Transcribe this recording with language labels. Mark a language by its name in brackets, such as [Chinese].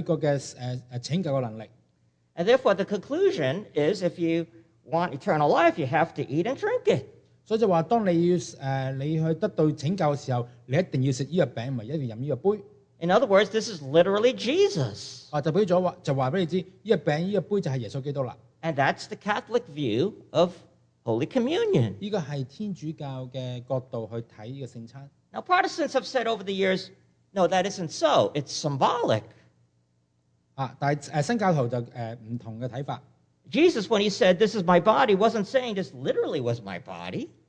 [Chinese] 天主教会相信就说这个饼就是有一个拯救的能力。 [English] And therefore the conclusion is, if you want eternal life, you have to eat and drink it. [Chinese] 所以就说当你去得到拯救的时候，你一定要吃这个饼，不是一定要喝这个杯。 [English] In other words, this is literally Jesus. [Chinese] 就告诉你，这个饼，这个杯就是耶稣基督了。 [English] And that's the Catholic view of Holy Communion. [Chinese] 这个是天主教的角度去看这个圣餐。 [English] Now, Protestants have said over the years, "No, that isn't so. It's symbolic." [Chinese] 但是新教徒就不同的看法。 [English] Jesus, when he said, "This is my body," wasn't saying this literally was my body.